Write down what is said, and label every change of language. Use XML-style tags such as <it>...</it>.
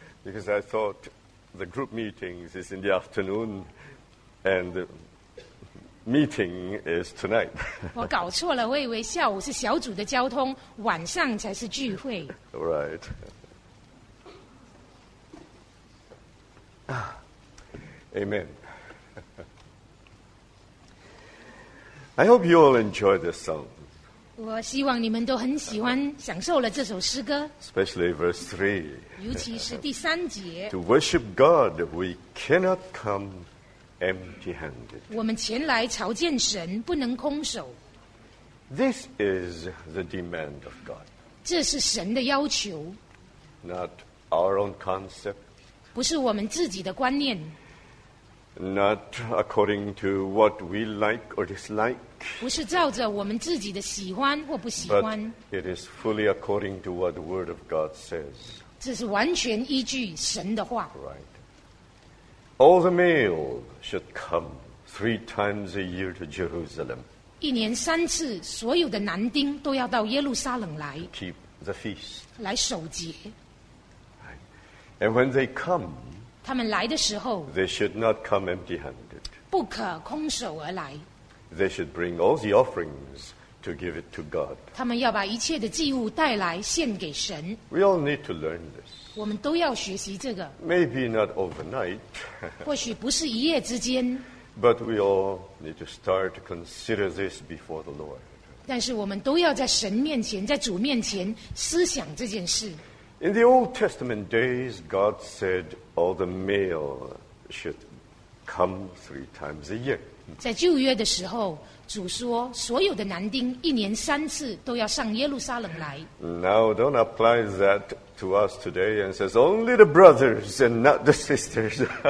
<en>Because I thought the group meetings is in the afternoon, and the meeting is tonight.</en> <zh>我搞错了，我以为下午是小组的交通，晚上才是聚会。</zh> <en>Right. Amen. I hope you all enjoy this song.</en> <zh>我希望你们都很喜欢享受了这首诗歌。</zh> <en>Especially verse 3.</en> <zh>尤其是第三节。</zh> <en>To worship God, we cannot come empty-handed.</en> <zh>我们前来朝见神，不能空手。</zh> <en>This is the demand of God.</en> <zh>这是神的要求。</zh> <en>Not our own concept.</en> <zh>不是我们自己的观念。</zh> <en>Not according to what we like or dislike. But it is fully according to what the Word of God says.</en> <zh>这是完全依据神的话。</zh> <en>Right. All the male should come 3 times a year to Jerusalem.</en> <zh>一年三次, 所有的男丁都要到耶路撒冷来,</zh> <en>to keep the feast.</en> <zh>来守节。</zh> <en>Right. And when they come,</en> <zh>他们来的时候,</zh> <en>they should not come empty-handed.</en> <zh>不可空手而来。</zh> <en>They should bring all the offerings to give it to God.</en> <zh>他们要把一切的祭物带来献给神。</zh> <en>We all need to learn this.</en> <zh>我们都要学习这个。</zh> <en>Maybe not overnight.</en> <zh>或许不是一夜之间。</zh> <en>But we all need to start to consider this before the Lord.</en> <zh>但是我们都要在神面前，在主面前思想这件事。</zh> <en>In the Old Testament days, God said all the male should come 3 times a year.</en> <zh>在旧约的时候，主说所有的男丁一年三次都要上耶路撒冷来。</zh> <en>Now, don't apply that to us today and says only the brothers and not the sisters.</en>